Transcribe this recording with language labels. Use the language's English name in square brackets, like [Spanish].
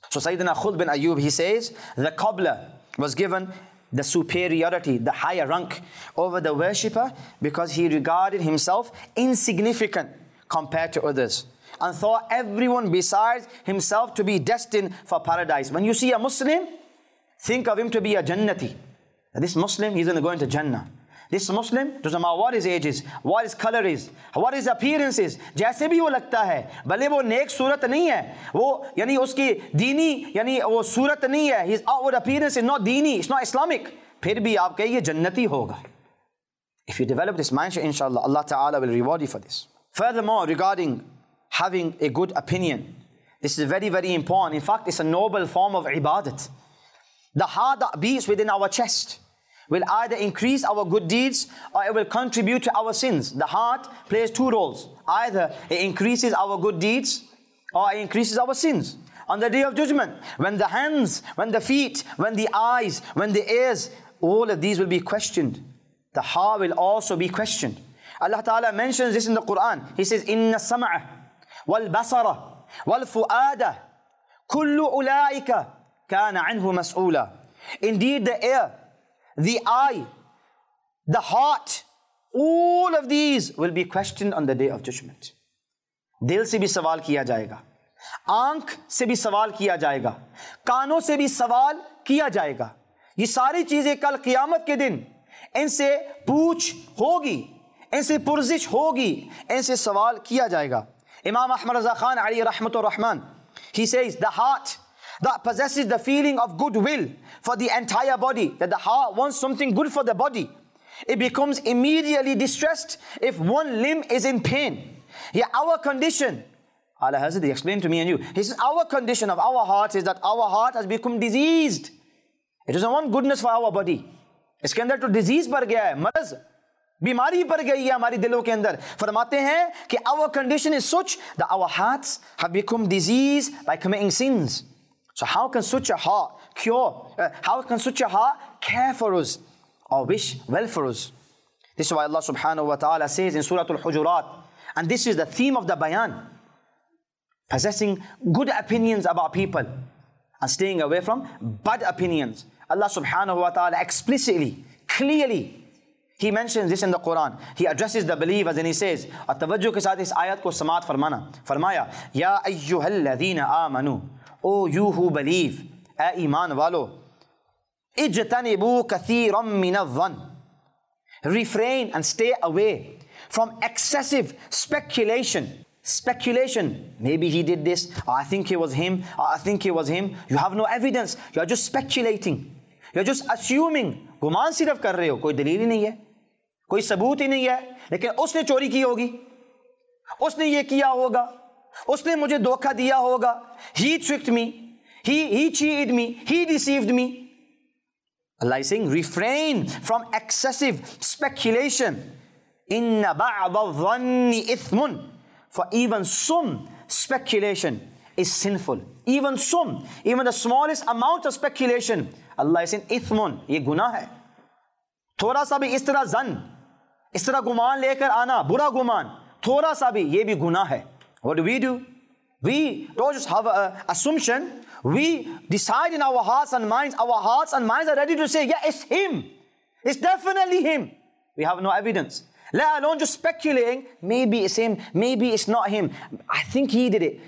[English] So Sayyidina Khuld bin Ayyub, he says, the cobbler was given the superiority, the higher rank over the worshipper because he regarded himself insignificant compared to others. And thought everyone besides himself to be destined for paradise. When you see a Muslim, think of him to be a Jannati. This Muslim, he's going to go into Jannah. This Muslim, doesn't matter what his age is, what his color is, what his appearance is, [Urdu] جیسے بھی وہ لگتا ہے، بھلے وہ نیک صورت نہیں ہے، [English] وہ، یعنی اس کی دینی، یعنی وہ صورت نہیں ہے، his outward appearance is not dini, it's not Islamic, [Urdu] پھر بھی آپ کہیے جنتی ہوگا۔ [English] If you develop this mindset, inshallah, Allah Ta'ala will reward you for this. Furthermore, regarding having a good opinion, this is very, very important. In fact, it's a noble form of ibadat. The heart that beats within our chest will either increase our good deeds or it will contribute to our sins. The heart plays two roles. Either it increases our good deeds or it increases our sins. On the day of judgment, when the hands, when the feet, when the eyes, when the ears, all of these will be questioned. The heart will also be questioned. Allah Ta'ala mentions this in the Quran. [Arabic] He says, "Inna sam'a والبصر والفؤاد كل أولئك كان عنه مسؤولا." [English] Indeed, the ear, the eye, the heart, all of these will be questioned on the day of judgment. [Urdu] دل سے بھی سوال کیا جائے گا، آنکھ سے بھی سوال کیا جائے گا، کانوں سے بھی سوال کیا جائے گا۔ یہ ساری چیزیں کل قیامہ کے دن ان سے پوچھ ہوگی، ان سے پرسش ہوگی، ان سے سوال کیا جائے گا۔ [English] Imam Ahmad Raza Khan Ali Rahmatur Rahman, he says, the heart that possesses the feeling of goodwill for the entire body, that the heart wants something good for the body, it becomes immediately distressed if one limb is in pain. Yeah, our condition, Allah Hazrat, he explained to me and you, he says, our condition of our heart is that our heart has become diseased. It doesn't want goodness for our body. It's kind of to disease [Urdu] bar gaya hai, [English] maraz. [Urdu] بیماری پڑ گئی ہے ہماری دلوں کے اندر۔ Farmate hain ki [English] our condition is such that our hearts have become diseased by committing sins. So how can such a heart care for us or wish well for us? This is why Allah subhanahu wa ta'ala says in Surah Al-Hujurat, and this is the theme of the bayan, possessing good opinions about people and staying away from bad opinions. Allah subhanahu wa ta'ala explicitly, clearly, he mentions this in the Quran. He addresses the believers and he says, [Urdu] "Atawajju ke saath is ayat ko samaat farmana." [Arabic] Farmaya, "Ya ayyuhal ladhina amanu, [English] O you who believe, [Urdu] ay iman walo, [Arabic] ijtanibu kathiran min adh-dhann." [English] Refrain and stay away from excessive speculation. speculation. Maybe he did this. I think it was him. I think it was him. You have no evidence. You are just speculating. You are just assuming. [Urdu] گمان صرف کر رہے ہو۔ کوئی دلیل ہی نہیں ہے۔ کوئی ثبوت ہی نہیں ہے۔ لیکن اس نے چوری کی ہوگی۔ اس نے یہ کیا ہوگا۔ اس نے مجھے دھوکا دیا ہوگا۔ [English] He tricked me. He cheated me. He deceived me. Allah is saying, refrain from excessive speculation. [Arabic] Inna ba'da dhanni ithmun. [English] For even some speculation is sinful. Even some, even the smallest amount of speculation, Allah is saying, ithmun, [Urdu] ye guna hai. تھوڑا سا بھی اس طرح ظن، اس طرح گمان لے کر آنا، برا گمان، تھوڑا سا بھی، یہ بھی گناہ ہے۔ [English] What do? We don't just have an assumption. We decide in our hearts and minds. Our hearts and minds are ready to say, yeah, it's him. It's definitely him. We have no evidence. Let alone just speculating. Maybe it's him. Maybe it's not him. I think he did it.